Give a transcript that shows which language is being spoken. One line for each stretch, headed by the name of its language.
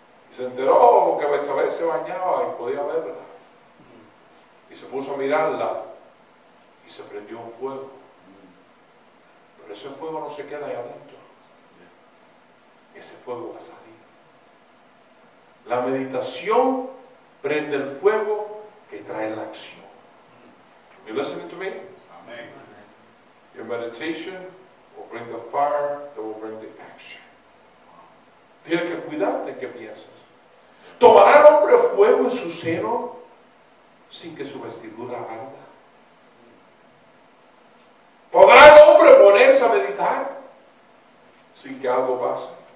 Spanish: Y se enteró que Betsabé se bañaba y podía verla. Y se puso a mirarla y se prendió un fuego. Pero ese fuego no se queda ahí adentro. Ese fuego va a salir. La meditación prende el fuego que trae la acción.
English: ¿Me listening to me?
Spanish: Amén.
English: Your meditation will bring the fire that will bring the action.
Spanish: Tienes que cuidar de qué piensas. ¿Tomará el hombre fuego en su seno sin que su vestidura arda? ¿Podrá el hombre ponerse a meditar sin que algo pase?